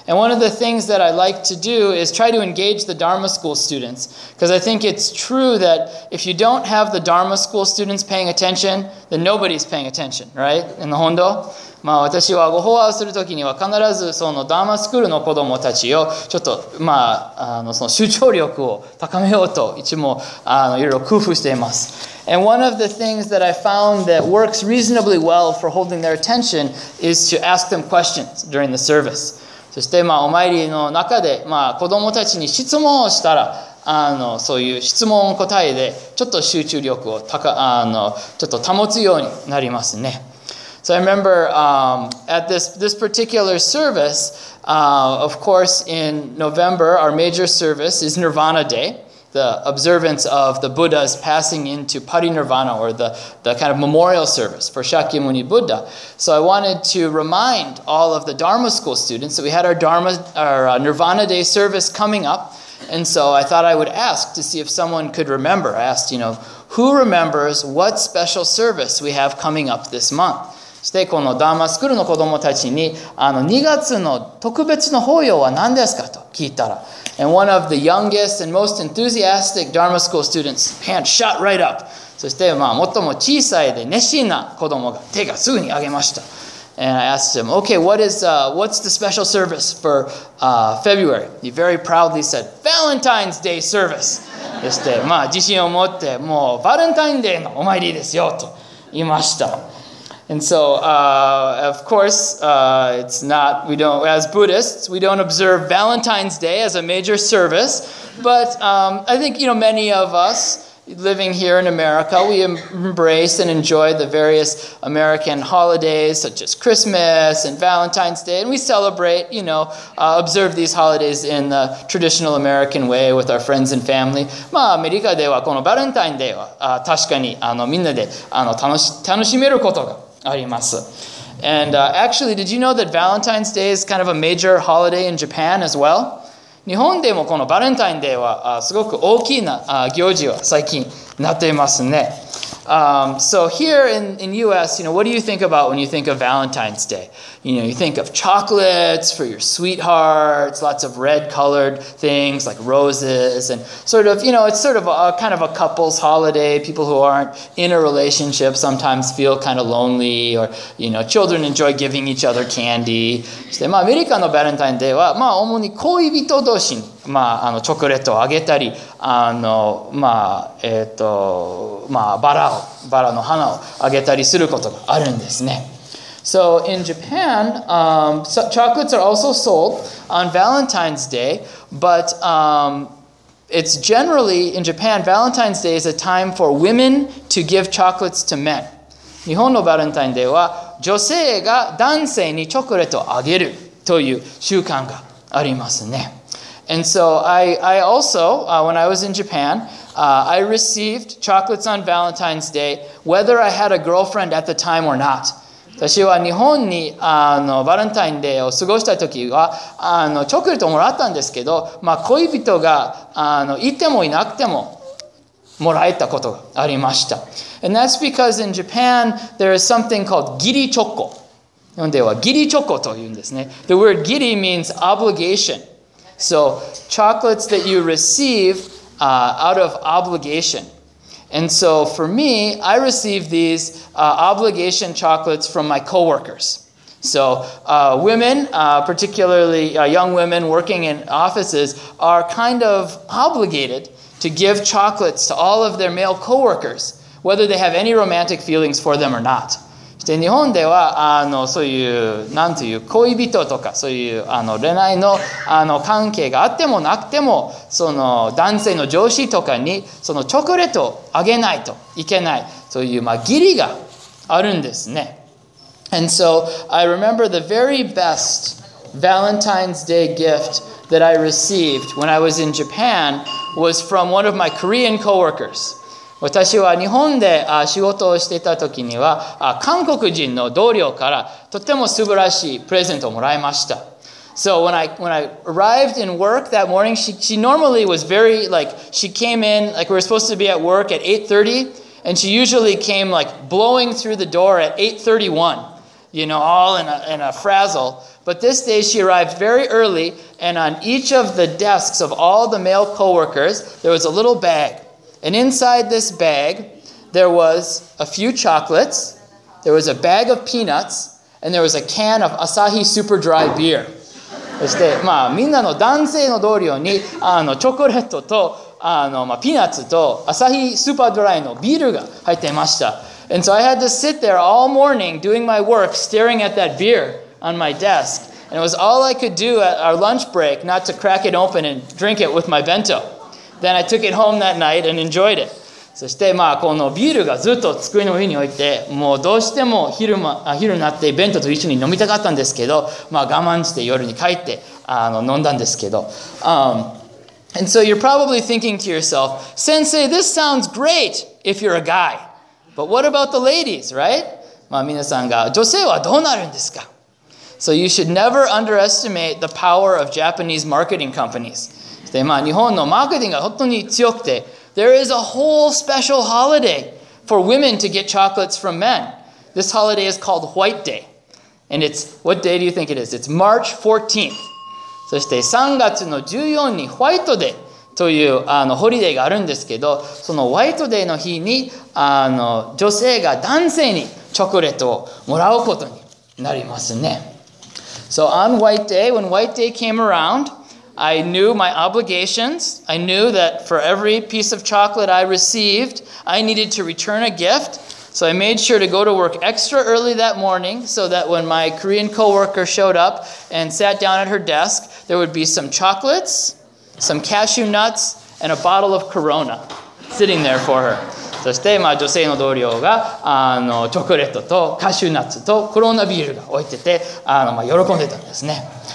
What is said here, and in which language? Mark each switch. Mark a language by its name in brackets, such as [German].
[English] And one of the things that I like to do is try to engage the Dharma school students, because I think it's true that if you don't have the Dharma school students paying attention, then nobody's paying attention, right? In the Hondo? [Japanese] まあ、私はご法話をするときには必ずそのダーマスクールの子どもたちをちょっとまあその集中力を高めようと一応いろいろ工夫しています。 [English] And one of the things that I found that works reasonably well for holding their attention is to ask them questions during the service. [Japanese] そしてまあお参りの中でまあ子どもたちに質問をしたらそういう質問答えでちょっと集中力をちょっと保つようになりますね。 [English] So I remember at this particular service, of course, in November, our major service is Nirvana Day, the observance of the Buddha's passing into Parinirvana, or the kind of memorial service for Shakyamuni Buddha. So I wanted to remind all of the Dharma school students that we had our Nirvana Day service coming up. And so I thought I would ask to see if someone could remember. I asked, who remembers what special service we have coming up this month? [Japanese] そしてこのダーマスクールの子どもたちに2月の特別の法要は何ですかと聞いたら [English] And one of the youngest and most enthusiastic Dharma school students hand shot right up. [Japanese] そしてまあ最も小さいで熱心な子どもが手がすぐに上げました [English] And I asked him, okay, what's the special service for February? He very proudly said, Valentine's Day service. [Japanese] そしてまあ自信を持ってもうバレンタインデーのお参りですよと言いました [English] And so, of course, it's not, we don't, as Buddhists, we don't observe Valentine's Day as a major service. But I think, many of us living here in America, we embrace and enjoy the various American holidays, such as Christmas and Valentine's Day. And we celebrate, observe these holidays in the traditional American way with our friends and family. [Japanese] まあ、アメリカではこのバレンタインデーは、確かにみんなで楽しめることが。 [English] And actually, did you know that Valentine's Day is kind of a major holiday in Japan as well? [Japanese] 日本でもこのバレンタインデーはすごく大きな行事は最近なっていますね。 [English] So here in US, what do you think about when you think of Valentine's Day? You think of chocolates for your sweethearts, lots of red colored things like roses and sort of, it's sort of a kind of a couple's holiday. People who aren't in a relationship sometimes feel kind of lonely or, children enjoy giving each other candy. [Japanese] そして、まあ、アメリカのバレンタインデーは、まあ、主に恋人同士に、まあ、チョコレートをあげたり、まあ、まあ、バラの花をあげたりすることがあるんですね。 [English] So in Japan, chocolates are also sold on Valentine's Day, but it's generally in Japan, Valentine's Day is a time for women to give chocolates to men. [Japanese] 日本のバレンタインデーは女性が男性にチョコレートをあげるという習慣がありますね。 [English] And so I also, when I was in Japan, I received chocolates on Valentine's Day, whether I had a girlfriend at the time or not. [Japanese] 私は日本にバレンタインデーを過ごした時はチョコレートをもらったんですけど、まあ、恋人がいてもいなくてももらえたことがありました。 [English] And that's because in Japan there is something called ギリチョコ。 [Japanese] 日本ではギリチョコというんですね。 [English] The word ギリ means obligation. So chocolates that you receive out of obligation. And so for me, I receive these obligation chocolates from my coworkers. So women, particularly young women working in offices, are kind of obligated to give chocolates to all of their male coworkers, whether they have any romantic feelings for them or not. [Japanese] で、日本では、そういう、なんていう、恋人とか、そういう、恋愛の、関係があってもなくても、その、男性の上司とかに、その、チョコレートをあげないといけない、そういう、まあ、義理があるんですね。 [English] And so, I remember the very best Valentine's Day gift that I received when I was in Japan was from one of my Korean coworkers. [Japanese] 私は日本で仕事をしていた時には韓国人の同僚からとても素晴らしいプレゼントをもらいました。 [English] So when I arrived in work that morning, she normally was very like, she came in, like we were supposed to be at work at 8:30, and she usually came like blowing through the door at 8:31, you know, all in a frazzle. But this day she arrived very early, and on each of the desks of all the male coworkers, there was a little bag. And inside this bag, there was a few chocolates, there was a bag of peanuts, and there was a can of Asahi Super Dry beer. [Japanese] そして、まあ、みんなの男性の同僚に、チョコレートと、まあ、ピーナッツと、Asahi Super Dry のビールが入っていました。 [English] And so I had to sit there all morning doing my work, staring at that beer on my desk. And it was all I could do at our lunch break not to crack it open and drink it with my bento. Then I took it home that night and enjoyed it. [Japanese] そしてまあこのビールがずっと机の上に置いてもうどうしても昼になって弁当と一緒に飲みたかったんですけどまあ我慢して夜に帰って飲んだんですけど。 [English] And so you're probably thinking to yourself, Sensei, this sounds great if you're a guy. But what about the ladies, right? [Japanese] まあ皆さんが女性はどうなるんですか? [English] So you should never underestimate the power of Japanese marketing companies. [Japanese] でまあ、日本のマーケティングが本当に強くて [English] There is a whole special holiday for women to get chocolates from men. This holiday is called White Day. And it's, what day do you think it is? It's March 14th. [Japanese] そして3月の14日にホワイトデーというホリデーがあるんですけどそのホワイトデーの日に女性が男性にチョコレートをもらうことになりますね。 [English] So on White Day, when White Day came aroundI knew my obligations. I knew that for every piece of chocolate I received, I needed to return a gift. So I made sure to go to work extra early that morning so that when my Korean coworker showed up and sat down at her desk, there would be some chocolates, some cashew nuts, and a bottle of Corona sitting there for her. [Japanese] そして、まあ、女性の同僚がチョコレートとカシューナッツとコロナビールが置いてて、まあ、喜んでたんですね。